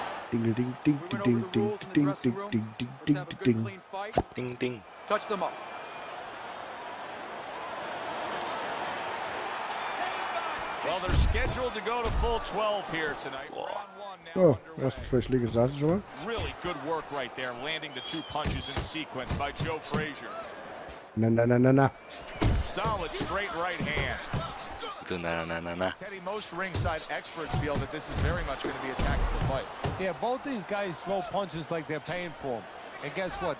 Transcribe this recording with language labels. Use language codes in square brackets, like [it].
[en] Ding, ding, ding, ding, ding, ding, ding, ding, ding, ding, ding, ding, ding, ding. Touch them up. Well, they're scheduled to go to full 12 here tonight. [de] Oh, erst zwei Schläge saßen schon mal. [en] Really good work right there, landing the two punches in sequence by Joe Frazier. Na na na na na. Solid straight right hand. Na na na na na. Teddy, most ringside experts feel that this is very much going to be a tactical fight. Yeah, both these guys throw punches like they're paying for them. And guess what?